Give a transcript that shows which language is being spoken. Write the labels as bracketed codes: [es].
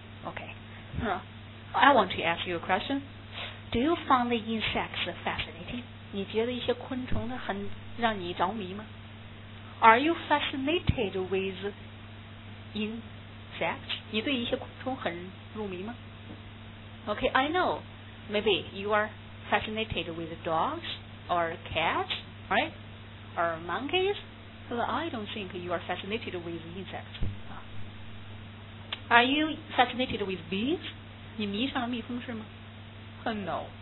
[en] OK，I want to ask you a question. Do you find the insects fascinating? [zh] 你觉得一些昆虫的很让你着迷吗？ [en] Are you fascinated with insects? [zh] 你对一些昆虫很入迷吗？ [en] Okay, I know. Maybe you are fascinated with dogs or cats, right? Or monkeys. But I don't think you are fascinated with insects. Are you fascinated with bees? [zh] 你迷上了蜜蜂是吗？ [en] No.